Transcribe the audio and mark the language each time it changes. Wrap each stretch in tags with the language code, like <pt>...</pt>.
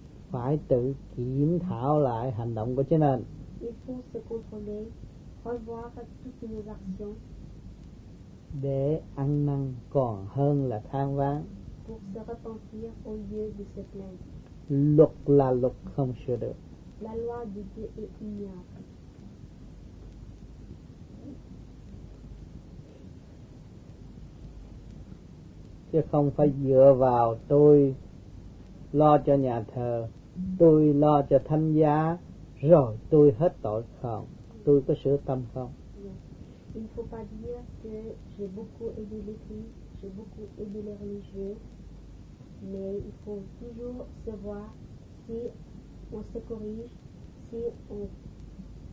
<vi>Phải tự kiểm thảo lại hành động của chính mình.</vi> <fr>Il faut se contrôler, revoir toutes nos actions.</fr> <vi>Để ăn năn còn hơn là than vãn.</vi> <fr>Pour se repentir au lieu de se plaindre.</fr> <vi>Luật là luật không sửa được.</vi> <fr>La loi de Dieu est immuable.</fr> <vi>Chứ không phải dựa vào tôi lo cho nhà thờ, tôi lo cho thánh giá rồi tôi hết tội không, tôi có sửa tâm không? Yeah.</vi> <fr>Il ne faut pas dire que j'ai beaucoup aidé l'Église, j'ai beaucoup aidé les religieux, mais il faut toujours se voir si on se corrige, si on</fr>